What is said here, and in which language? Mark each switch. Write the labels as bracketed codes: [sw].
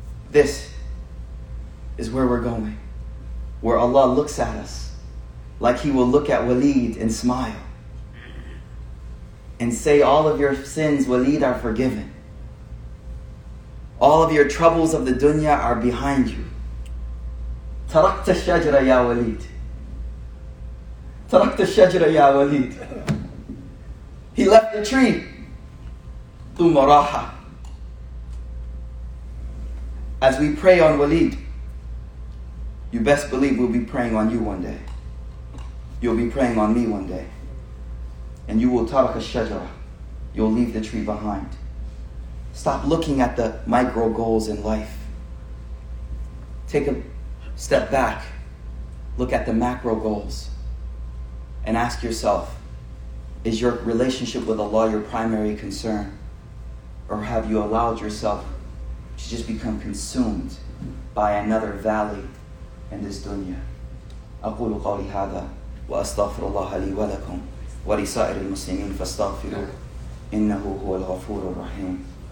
[en] This is where we're going. Where Allah looks at us like He will look at Waleed and smile and say, all of your sins, Waleed, are forgiven. All of your troubles of the dunya are behind you. [ar] تركت الشجرة يا وليد، تركت الشجرة يا وليد. [en] He left the tree. [ar] ثم راح. [en] As we pray on Waleed, you best believe we'll be praying on you one day. You'll be praying on me one day. And you will [ar] tarak al-shajara. [en] You'll leave the tree behind. Stop looking at the micro goals in life. Take a step back. Look at the macro goals. And ask yourself, is your relationship with Allah your primary concern? Or have you allowed yourself to just become consumed by another valley in this dunya? [ar] أقول قولي هذا وأستغفر الله لي ولكم ولسائر المسلمين فاستغفروه إنه هو الغفور الرحيم.